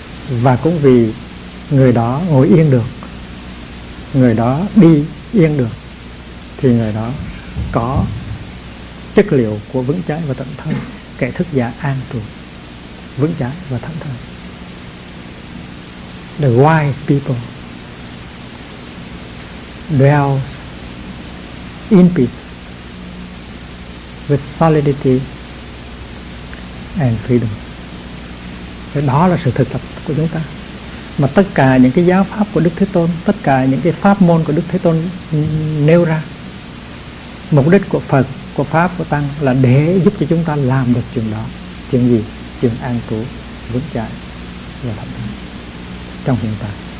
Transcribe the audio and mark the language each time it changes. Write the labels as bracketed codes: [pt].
[vi] Và cũng vì người đó ngồi yên được, người đó đi yên được, thì người đó có chất liệu của vững chãi và thẫn thờ. Kẻ thức giả an trụ vững chãi và thẫn thờ. [en] The wise people dwell in peace with solidity and freedom. [vi] Đó là sự thực tập của chúng ta. Mà tất cả những cái giáo pháp của Đức Thế Tôn, tất cả những cái pháp môn của Đức Thế Tôn nêu ra, mục đích của Phật, của Pháp, của Tăng là để giúp cho chúng ta làm được chuyện đó. Chuyện gì? Chuyện an trú, vững chãi và thẫn thờ trong hiện tại.